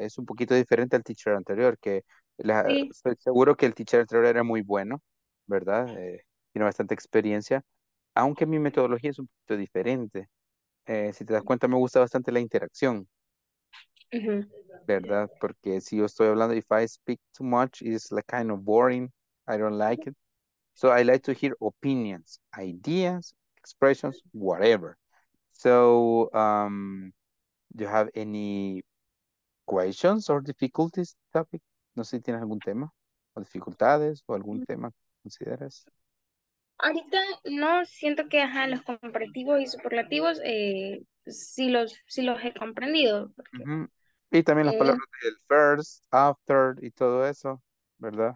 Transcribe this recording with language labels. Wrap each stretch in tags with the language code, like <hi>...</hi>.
<es>Es un poquito diferente al teacher anterior, que estoy seguro que el teacher anterior era muy bueno, ¿verdad? Tiene bastante experiencia, aunque mi metodología es un poquito diferente. Si te das cuenta, me gusta bastante la interacción, ¿verdad? Porque si yo estoy hablando,</es> <en>if I speak too much, it's like kind of boring, I don't like it. So I like to hear opinions, ideas, expressions, whatever. So, do you have any questions or difficulties topic?</en> <es>No sé si tienes algún tema o dificultades o algún tema que consideras. Ahorita no, siento que ajá, los comparativos y superlativos sí los he comprendido. Uh-huh. Y también las palabras del first, after y todo eso, ¿verdad?</es>